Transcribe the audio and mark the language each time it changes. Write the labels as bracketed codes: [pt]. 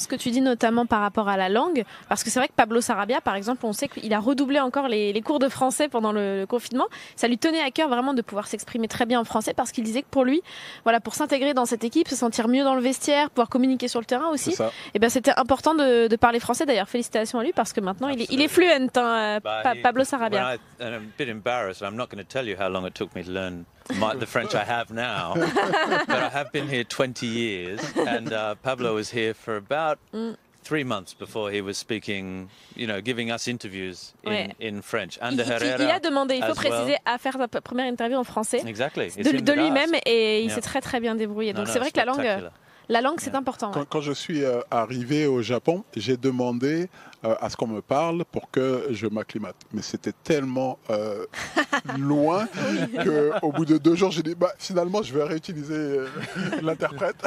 [fr] Ce que tu dis notamment par rapport à la langue, parce que c'est vrai que Pablo Sarabia par exemple, on sait qu'il a redoublé encore les cours de français pendant le confinement. Ça lui tenait à cœur vraiment de pouvoir s'exprimer très bien en français, parce qu'il disait que pour lui, voilà, pour s'intégrer dans cette équipe, se sentir mieux dans le vestiaire, pouvoir communiquer sur le terrain aussi, et ben c'était important de parler français. D'ailleurs, félicitations à lui, parce que maintenant il est fluent, hein, Pablo Sarabia. [en] Well, I'm a bit embarrassed. I'm not going to tell you how long it took me to learn the French I have now, but I have been here 20 years, and Pablo was here for about 3 months before he was speaking, you know, giving us interviews in French. [fr] Under Herrera, il a demandé, il faut préciser, à faire sa première interview en français. [en] Exactly. [fr] De lui-même, et il s'est très très bien débrouillé. Donc c'est vrai que la langue, c'est important. Quand je suis arrivé au Japon, j'ai demandé à ce qu'on me parle pour que je m'acclimate. Mais c'était tellement loin qu'au bout de 2 jours, j'ai dit bah, « Finalement, je vais réutiliser l'interprète.